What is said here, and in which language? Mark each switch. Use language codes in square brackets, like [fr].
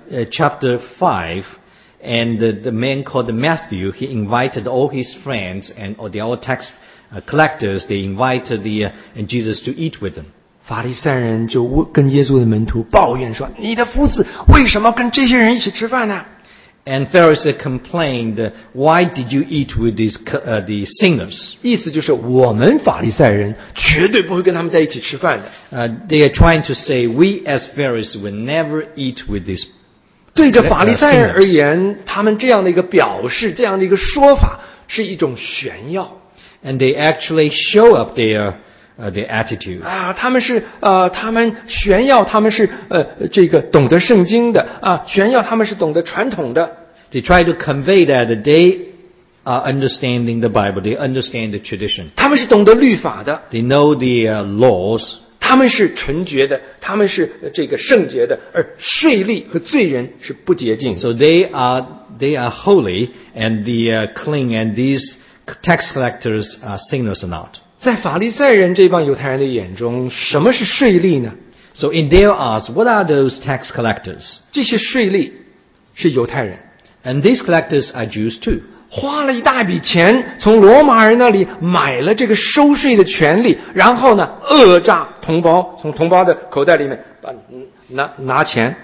[en] Chapter 5, And the man called Matthew, he invited all his friends and all the old tax collectors, they invited Jesus to eat with them. [zh] 法利赛人就跟耶稣的门徒抱怨说你的夫子为什么跟这些人一起吃饭呢 [en] And Pharisee complained, why did you eat with these, the sinners? [zh] 意思就是我们法利赛人绝对不会跟他们在一起吃饭的。 [en] They are trying to say, we as Pharisees will never eat with these people. [zh] 对着法利赛人而言他们这样的一个表示这样的一个说法是一种炫耀。 [en] And they actually show up their attitude. [zh] 啊他们炫耀他们是这个懂得圣经的啊炫耀他们是懂得传统的。 [en] They try to convey that they are understanding the Bible, they understand the tradition. [zh] 他们是懂得律法的。 [en] They know the laws. [zh] 他们是纯洁的，他们是这个圣洁的，而税吏和罪人是不洁净的。 [en] So they are holy and they are clean, and these tax collectors are sinners or not. [zh] 在法利赛人这帮犹太人的眼中，什么是税吏呢 [en] ？So in their eyes, what are those tax collectors? [zh] 这些税吏是犹太人 [en] ，and these collectors are Jews too. [zh] 花了一大笔钱从罗马人那里买了这个收税的权利，然后呢讹诈同胞，从同胞的口袋里面把 拿钱。